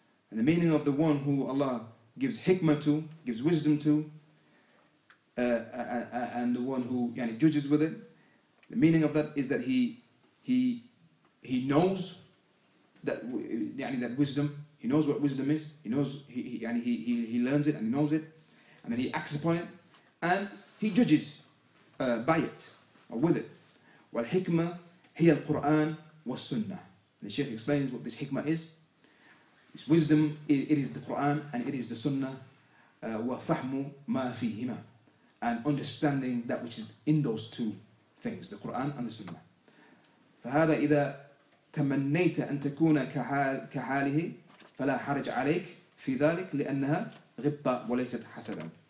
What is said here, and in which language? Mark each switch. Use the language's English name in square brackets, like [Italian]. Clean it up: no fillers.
[English] And the meaning of the one who Allah gives hikmah to, gives wisdom to, and the one who judges with it, the meaning of that is that he knows that that wisdom, he knows what wisdom is, he knows he learns it and knows it, and then he acts upon it and he judges by it or with it. [Arabic] والحكمة هي القرآن والسنة. [English] The Shaykh explains what this hikmah is. This wisdom, it is the Quran and it is the Sunnah. [Arabic] وَفَحْمُ مَا فِيهِمَا. [English] And understanding that which is in those two things, the Quran and the Sunnah. [Arabic] فَهَذَا إِذَا تَمَنَّيْتَ أَن تَكُونَ كَحَالِهِ فَلَا حَرَجْ عَلَيْكَ فِي ذَلِكَ لِأَنَّهَا غِبَّةٌ وَلَيْسَتْ حَسَدًا.